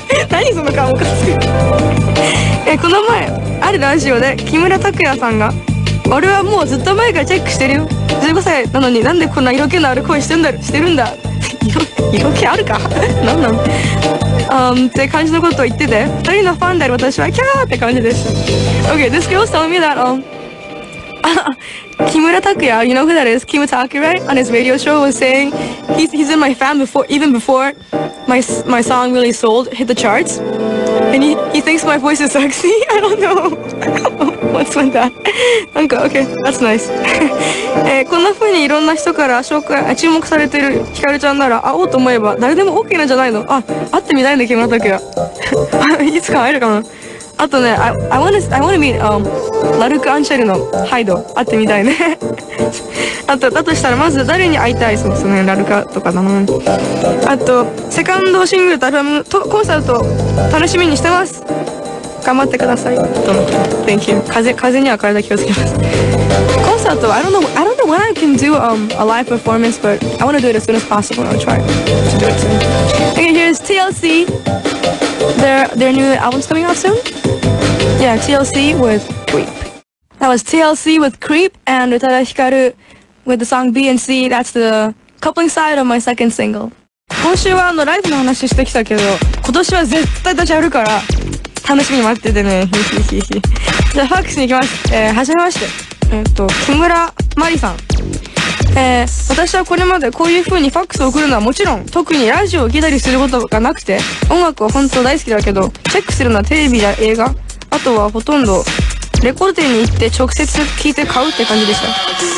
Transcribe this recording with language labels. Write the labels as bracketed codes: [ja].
[ja] 何その顔おかしい。この前あるラジオで木村拓哉さんが、俺はもうずっと前からチェックしてるよ、15歳なのになんでこんな色気のある声してんだ、してるんだ。色気あるか。なんなん、って感じのことを言ってて、2人のファンである私はキャーって感じでした。 [en] OK、 This girl's telling me that木村拓哉、 you know who that is? 木村拓哉 right? On his radio show was saying he's in my fan before, even before my song really sold, hit the charts, and he thinks my voice is sexy. I don't know. What's with that? [ja] なんか [en] OK, that's nice. [ja] 、こんな風にいろんな人から紹介、注目されてるヒカルちゃんなら会おうと思えば誰でも OK なんじゃないの。あ、会ってみたいね、木村拓哉。いつか会えるかな。あとね、 [en] I wanna meet、 [ja] ラルク・アンシェルのハイド、会ってみたいね。あと、だとしたらまず誰に会いたい、そうですね、ラルカとかだな。あと、セカンドシングルとアルバムとコンサート楽しみにしてます。頑張ってください。と、 [en] Thank you。 [ja] 風には体気をつけます。 [en] コンサート、I don't know when I can do、a live performance, but I wanna do it as soon as possible. I'll try to do it soon. Okay, here's TLC. Their new album's coming out soon? Yeah, TLC with Creep. That was TLC with Creep and Utada Hikaru with the song B and C. That's the coupling side of my second single. [ja] 今週はライブの話してきたけど、今年は絶対私やるから楽しみに待っててね。じゃあファックスに行きます。はじめまして。木村麻里さん。私はこれまでこういう風にファックスを送るのはもちろん、特にラジオを聞いたりすることがなくて、音楽は本当大好きだけど、チェックするのはテレビや映画、あとはほとんどレコード店に行って直接聞いて買うって感じでした。